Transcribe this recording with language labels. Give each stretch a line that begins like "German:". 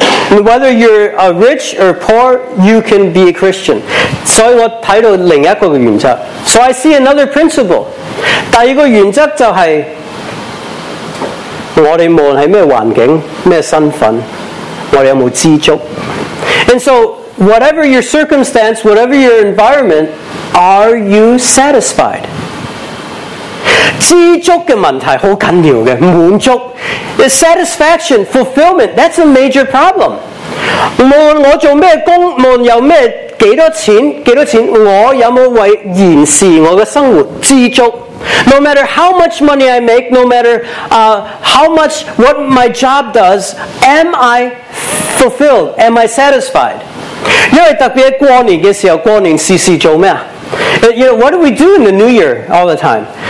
English: Whether you're a rich or poor, you can be a Christian.
Chinese: 所以我看到另一个原则。
English: So I see another principle.
Chinese: 第二个原则就是 我们无论是什么环境, 什么身份, 我们有没有知足。
English: And so, whatever your circumstance, whatever your environment, are you satisfied?
Chinese: 知足的问题很重要的, 满足,
English: is satisfaction, fulfillment, that's a major problem.
Chinese: 无论我做什么工, 无论有什么多少钱, 多少钱, 我有没有为延续我的生活知足。
English: No matter how much money I make, no matter how much what my job does, am I fulfilled? Am I satisfied?
Chinese: 因为特别过年的时候, 过年事事做什么?
English: You know, what do we do in the new year all the time?